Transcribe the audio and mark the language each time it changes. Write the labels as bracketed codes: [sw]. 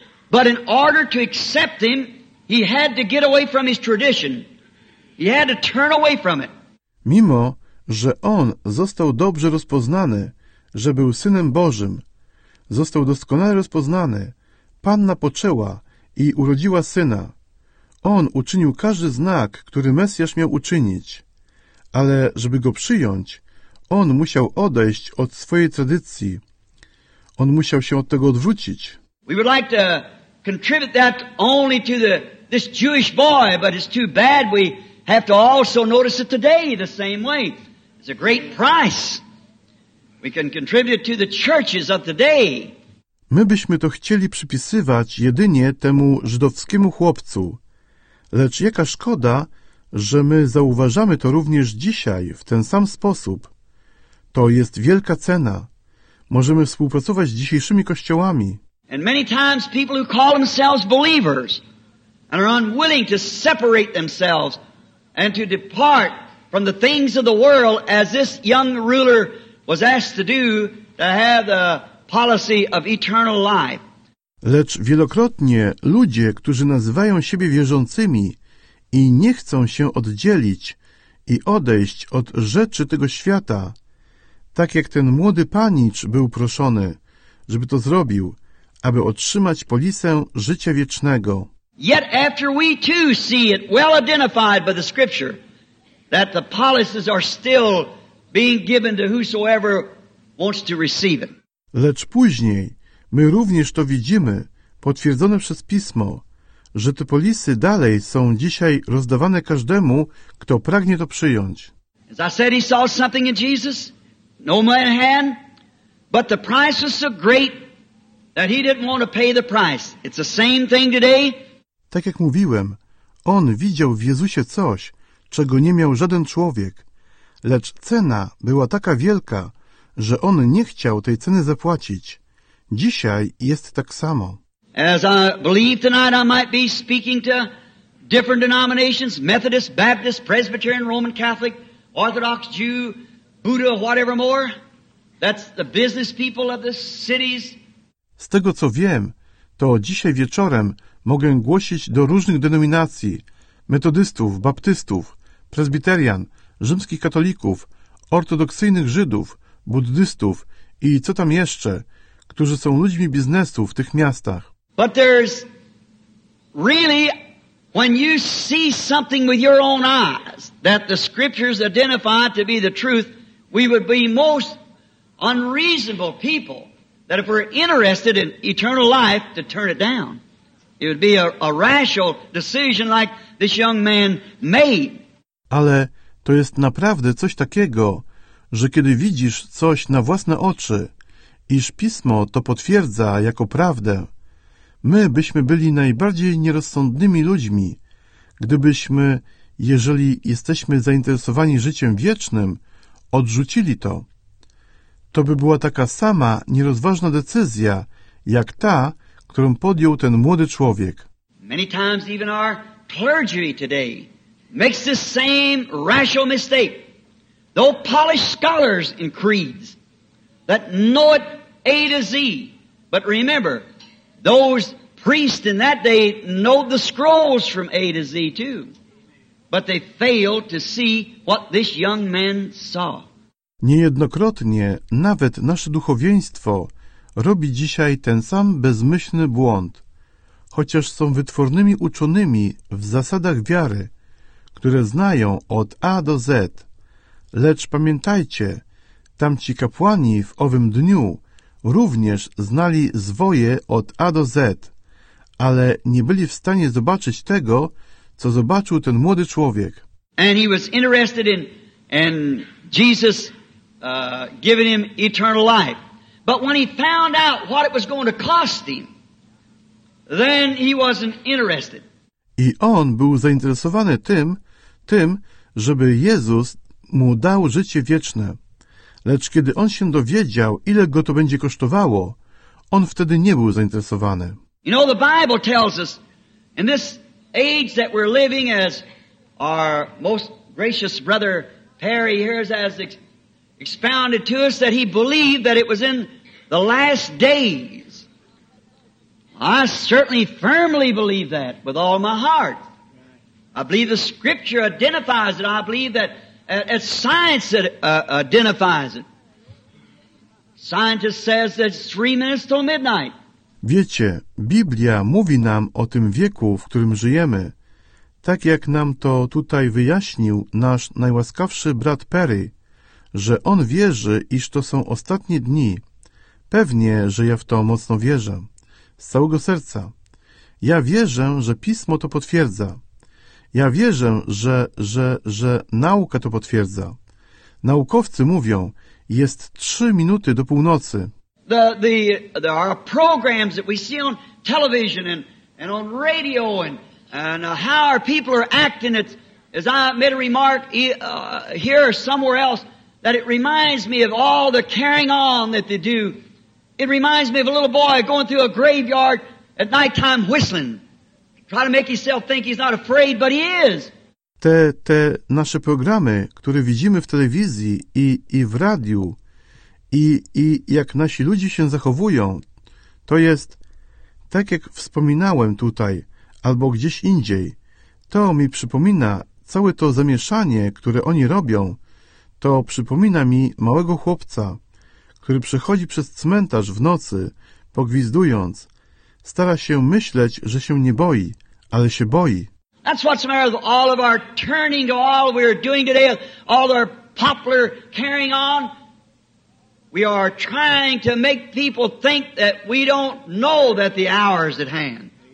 [en] But in order to accept him, he had to get away from his tradition. He had to turn away from it. [pl] Mimo, że on został dobrze rozpoznany, że był Synem Bożym, został doskonale rozpoznany, Panna poczęła i urodziła Syna. On uczynił każdy znak, który Mesjasz miał uczynić. Ale żeby go przyjąć, on musiał odejść od swojej tradycji. On musiał się od tego odwrócić. [en] We would like to contribute that only to this Jewish boy, but it's too bad. We have to also notice it today the same way. It's a great price. We can contribute to the churches of today. [pl] My byśmy to chcieli przypisywać jedynie temu żydowskiemu chłopcu. Lecz jaka szkoda, że my zauważamy to również dzisiaj w ten sam sposób. To jest wielka cena. Możemy współpracować z dzisiejszymi kościołami. [en] And many times people who call themselves believers and are unwilling to separate themselves and to depart from the things of the world as this young ruler was asked to do to have the policy of eternal life. [pl] Lecz wielokrotnie ludzie, którzy nazywają siebie wierzącymi i nie chcą się oddzielić i odejść od rzeczy tego świata, tak jak ten młody panicz był proszony, żeby to zrobił, aby otrzymać polisę życia wiecznego. [en] Yet after we too see it well identified by the scripture that the policies are still being given to whosoever wants to receive it. [pl] Lecz później my również to widzimy, potwierdzone przez Pismo, że te polisy dalej są dzisiaj rozdawane każdemu, kto pragnie to przyjąć. [en] As I said, he saw something in Jesus, no man hand, but the price was so great that he didn't want to pay the price. It's the same thing today. [pl] Tak jak mówiłem, on widział w Jezusie coś, czego nie miał żaden człowiek, lecz cena była taka wielka, że on nie chciał tej ceny zapłacić. Dzisiaj jest tak samo. [en] As I believe tonight I might be speaking to different denominations, Methodist, Baptist, Presbyterian, Roman Catholic, Orthodox, Jew, Buddha, whatever more. That's the business people of the cities. [pl] Z tego co wiem, to dzisiaj wieczorem mogę głosić do różnych denominacji, metodystów, baptystów, presbiterian, rzymskich katolików, ortodoksyjnych Żydów, buddystów i co tam jeszcze, którzy są ludźmi biznesu w tych miastach. [en] But there's really, when you see something with your own eyes that the scriptures identify to be the truth, we would be most unreasonable people that if we're interested in eternal life to turn it down. It would be a rational decision like this young man made. [pl] Ale to jest naprawdę coś takiego, że kiedy widzisz coś na własne oczy, iż Pismo to potwierdza jako prawdę. My byśmy byli najbardziej nierozsądnymi ludźmi, gdybyśmy, jeżeli jesteśmy zainteresowani życiem wiecznym, odrzucili to. To by była taka sama nierozważna decyzja, jak ta, którą podjął ten młody człowiek. [en] Many times even our clergy today makes the same rational mistake. Though polished scholars in creeds that know it A to Z, but remember, those priests in that day know the scrolls from A to Z too, but they failed to see what this young man saw. [pl] Niejednokrotnie nawet nasze duchowieństwo robi dzisiaj ten sam bezmyślny błąd, chociaż są wytwornymi uczonymi w zasadach wiary, które znają od A do Z. Lecz pamiętajcie, tamci kapłani w owym dniu również znali zwoje od A do Z, ale nie byli w stanie zobaczyć tego, co zobaczył ten młody człowiek. [en] And he was interested in and Jesus giving him eternal life. But when he found out what it was going to cost him, then he wasn't interested. [pl] I on był zainteresowany tym, żeby Jezus mu dał życie wieczne. Lecz kiedy on się dowiedział, ile go to będzie kosztowało, on wtedy nie był zainteresowany. [en] You know, the Bible tells us, in this age that we're living, as our most gracious brother Perry here has expounded to us, that he believed that it was in the last days. I certainly firmly believe that with all my heart. I believe the scripture identifies it. I believe that it's science that identifies it. Scientist says that it's 3 minutes till midnight. [pl] Wiecie, Biblia mówi nam o tym wieku, w którym żyjemy, tak jak nam to tutaj wyjaśnił nasz najłaskawszy brat Perry, że on wierzy, iż to są ostatnie dni. Pewnie, że ja w to mocno wierzę. Z całego serca. Ja wierzę, że Pismo to potwierdza. Ja wierzę, że nauka to potwierdza. Naukowcy mówią, jest 3 minuty do północy. [en] There are programs that we see on television and on radio and how our people are acting. As I made a remark here or somewhere else, that it reminds me of all the carrying on that they do. It reminds me of a little boy going through a graveyard at nighttime whistling. Try to make himself think he's not afraid, but he is. [pl] Te nasze programy, które widzimy w telewizji i w radiu, i jak nasi ludzie się zachowują, to jest, tak jak wspominałem tutaj, albo gdzieś indziej, to mi przypomina całe to zamieszanie, które oni robią, to przypomina mi małego chłopca, który przechodzi przez cmentarz w nocy, pogwizdując, stara się myśleć, że się nie boi, ale się boi. [en] That's what's the matter with all of our turning to all we're doing today, all our popular carrying on. We are trying to make people think that we don't know that the hour is at hand.